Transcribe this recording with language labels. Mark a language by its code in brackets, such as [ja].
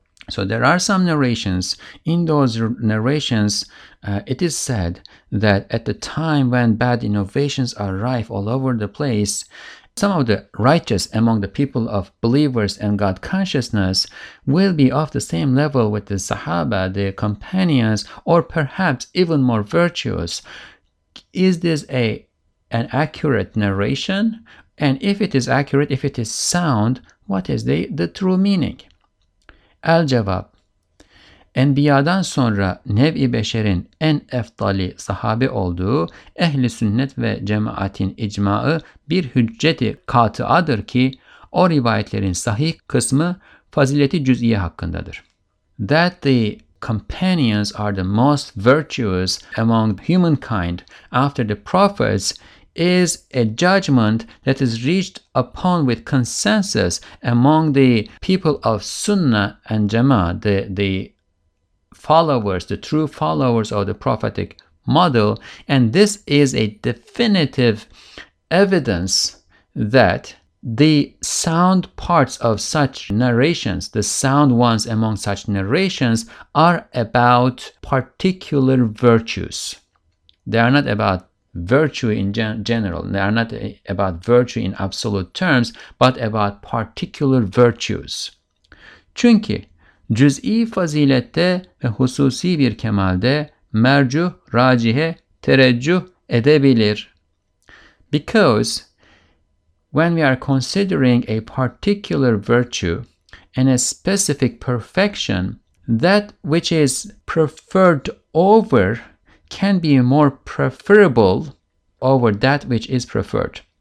[en] So there are some narrations. In those narrations, it is said that at the time when bad innovations are rife all over the place, some of the righteous among the people of believers and God consciousness will be of the same level with the Sahaba, the companions, or perhaps even more virtuous. Is this an accurate narration? And if it is accurate, if it is sound, what is the true meaning? [tr] El-Cevab, Enbiya'dan sonra Nev-i Beşer'in en eftali sahabi olduğu Ehl-i Sünnet ve Cemaat'in icma'ı bir hücceti katıadır ki o rivayetlerin sahih kısmı fazileti cüz'iye hakkındadır. [en] That the companions are the most virtuous among humankind after the prophets is a judgment that is reached upon with consensus among the people of Sunnah and Jama'ah, the followers, the true followers of the prophetic model. And this is a definitive evidence that the sound parts of such narrations, the sound ones among such narrations, are about particular virtues. They are not about virtue in general. They are not about virtue in absolute terms, but about particular virtues. [tr] Çünkü cüz'i fazilette ve hususi bir kemalde mercuh, racihe, tereccüh edebilir. [en] Because when we are considering a particular virtue and a specific perfection, that which is preferred over can be more preferable over that which is preferred.